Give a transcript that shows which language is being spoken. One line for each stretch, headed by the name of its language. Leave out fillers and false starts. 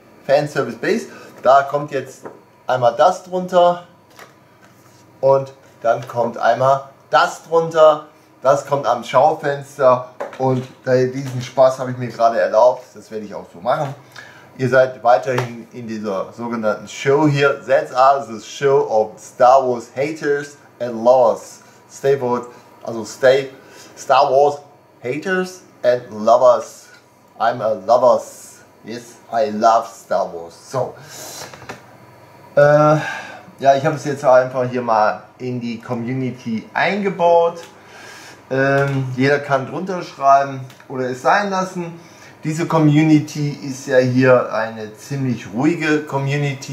German: Fanservice Base, da kommt jetzt einmal das drunter und dann kommt einmal das drunter. Das kommt am Schaufenster und diesen Spaß habe ich mir gerade erlaubt. Das werde ich auch so machen. Ihr seid weiterhin in dieser sogenannten Show hier.
English: That's us, the show of Star Wars haters and lovers. Stay put, also stay Star Wars haters and lovers. I'm a lover. Yes, I love Star Wars.
German: So, ja, ich habe es jetzt einfach hier mal in die Community eingebaut. Jeder kann drunter schreiben oder es sein lassen. Diese Community ist ja hier eine ziemlich ruhige Community.